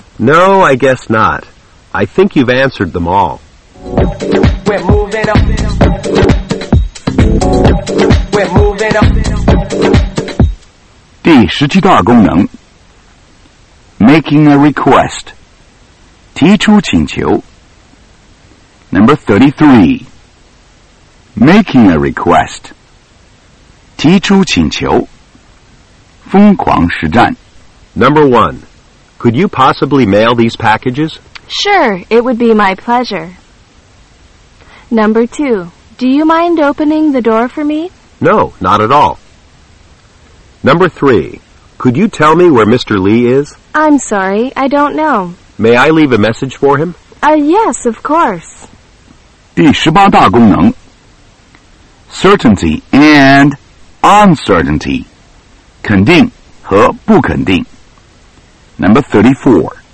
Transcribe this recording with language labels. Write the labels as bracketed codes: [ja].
[en] No, I guess not. I think you've answered them all. We're moving up. We're moving up. [zh] 第十七大功能 [en] Making a request. [zh] 提出请求 Number 33. [en] Making a request. [zh] 提出请求疯狂实战 [en] Number 1. Could you possibly mail these packages? Sure, it would be my pleasure. Number 2. Do you mind opening the door for me? No, not at all. Number 3. Could you tell me where Mr. Lee is? I'm sorry, I don't know. May I leave a message for him? Yes, of course. [zh] 第十八大功能 [en] Certainty and uncertainty. [zh] 肯定和不肯定 Number 34.